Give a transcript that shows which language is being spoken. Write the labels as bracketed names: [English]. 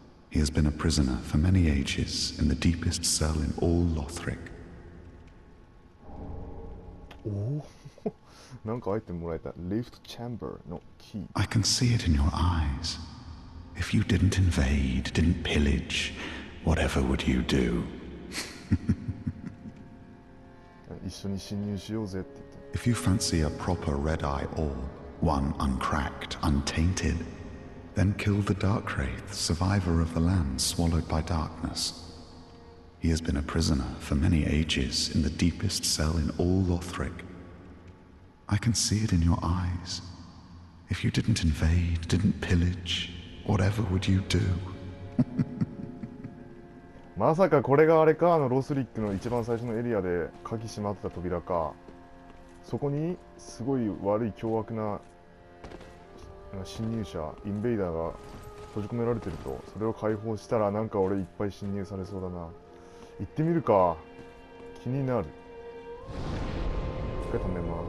[English] He has been a prisoner for many ages in the deepest cell in all Lothric. Lift chamber, not key. I can see it in your eyes. If you didn't invade, didn't pillage, whatever would you do? [Japanese] 一緒に侵入しようぜって言って [English] If you fancy a proper red-eye orb, one uncracked, untainted, then kill the Darkwraith, survivor of the land swallowed by darkness. He has been a prisoner for many ages in the deepest cell in all Lothric. I can see it in your eyes. If you didn't invade, didn't pillage, whatever would you do? [Japanese] まさかこれがあれか、あのロスリックの一番最初のエリアで鍵閉まってた扉か。そこにすごい悪い凶悪な侵入者、インベイダーが閉じ込められてると。それを解放したらなんか俺いっぱい侵入されそうだな。行ってみるか。気になる。一回止め